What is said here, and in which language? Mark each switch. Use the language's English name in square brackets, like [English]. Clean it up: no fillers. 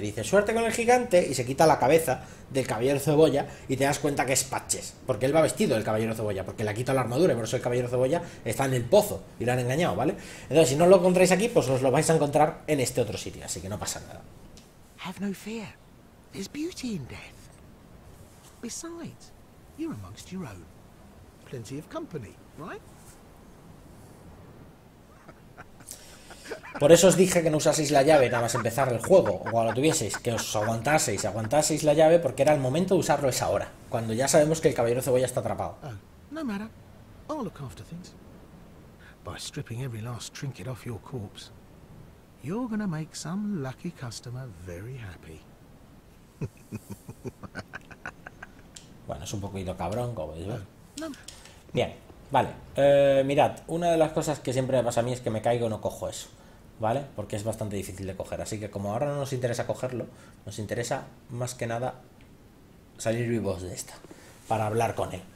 [Spanish] Dice, suerte con el gigante, y se quita la cabeza del caballero cebolla, y te das cuenta que es Patches, porque él va vestido del caballero cebolla, porque le ha quitado la armadura, y por eso el caballero cebolla está en el pozo, y lo han engañado, ¿vale? Entonces, si no lo encontráis aquí, pues os lo vais a encontrar en este otro sitio, así que no pasa nada. [English] Have no fear. There's beauty in death. Besides, you're amongst your own. Plenty of company, right? [Spanish] Por eso os dije que no usaseis la llave nada más empezar el juego, o cuando lo tuvieseis, que os aguantaseis la llave, porque era el momento de usarlo es ahora, cuando ya sabemos que el caballero cebolla está atrapado. [English] Oh, no matter. I'll look after things. By stripping every last trinket off your corpse, you're gonna make some lucky customer very happy. [Spanish] Bueno, es un poquito cabrón, como podéis ver. No. Bien. Vale, mirad, una de las cosas que siempre me pasa a mí es que me caigo y no cojo eso, ¿vale? Porque es bastante difícil de coger, así que como ahora no nos interesa cogerlo, nos interesa más que nada salir vivos de esta, para hablar con él.